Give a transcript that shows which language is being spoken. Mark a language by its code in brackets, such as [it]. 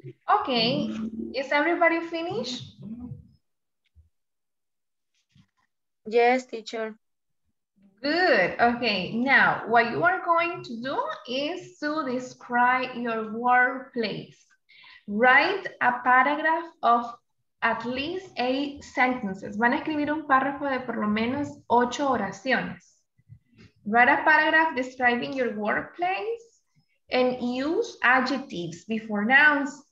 [en] Okay, is everybody finished? Yes, teacher. Good, okay. Now, what you are going to do is to describe your workplace. Write a paragraph of at least 8 sentences. [es] Van a escribir un párrafo de por lo menos 8 oraciones. [en] Write a paragraph describing your workplace and use adjectives before nouns.